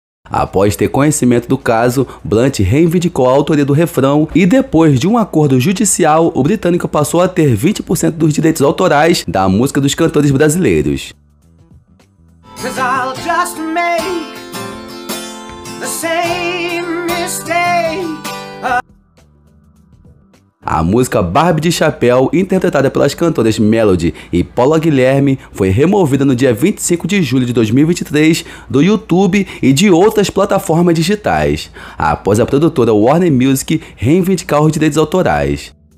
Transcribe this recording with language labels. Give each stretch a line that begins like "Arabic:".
Portuguese: Após ter conhecimento do caso, Blunt reivindicou a autoria do refrão e depois de um acordo judicial, o britânico passou a ter 20% dos direitos autorais da música dos cantores brasileiros.
English: Cause I'll just make the same mistake.
Portuguese: A música Barbie de Chapéu, interpretada pelas cantoras Melody e Paula Guilherme, foi removida no dia 25 de julho de 2023 do YouTube e de outras plataformas digitais, após a produtora Warner Music reivindicar os direitos autorais.